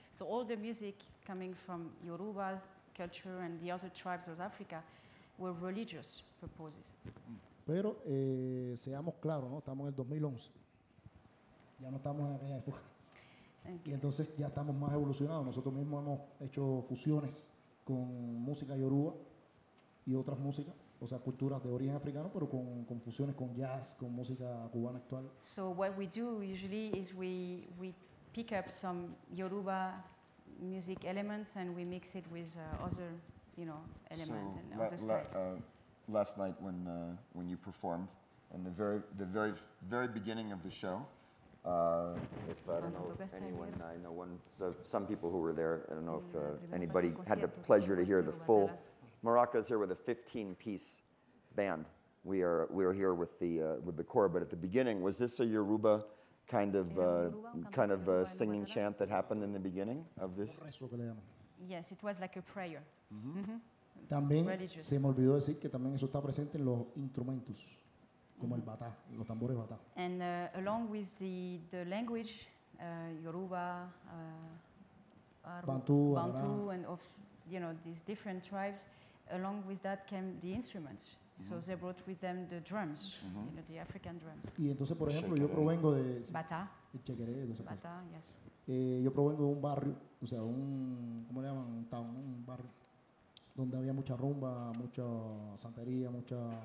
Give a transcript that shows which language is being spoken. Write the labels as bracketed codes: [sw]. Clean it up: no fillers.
[en] So all the music coming from Yoruba culture and the other tribes of Africa were religious purposes. [es] Pero seamos claros, ¿no? Estamos en el 2011, ya no estamos en aquella época. [en] Okay. [es] Y entonces ya estamos más evolucionados. Nosotros mismos hemos hecho fusiones con música yoruba y otras músicas, o sea, culturas de origen africano, pero con fusiones con jazz, con música cubana actual. [en] So what we do usually is we pick up some Yoruba music elements and we mix it with other, you know, elements. So and other stuff. Last night when you performed, and the very beginning of the show, if I don't know if anyone, I know one, so some people who were there, I don't know if anybody had the pleasure to hear the full. Maraca is here with a 15-piece band. We are here with the choir. But at the beginning, was this a Yoruba kind of a singing chant that happened in the beginning of this? Yes, it was like a prayer. Mm-hmm. Mm-hmm. También religious. [es] Se me olvidó decir que también eso está presente en los instrumentos, como el batá, los tambores batá. [en] And along with the language, Yoruba, Bantu, and of, you know, these different tribes, along with that came the instruments. Mm-hmm. So they brought with them the drums, mm-hmm. you know, the African drums. [es] Y entonces, por ejemplo, yo provengo de batá. El chequeré, [en] batá, yes. [es] Yo provengo de un barrio, o sea, ¿cómo le llaman? Un town, un barrio. Donde había mucha rumba, mucha santería, mucha.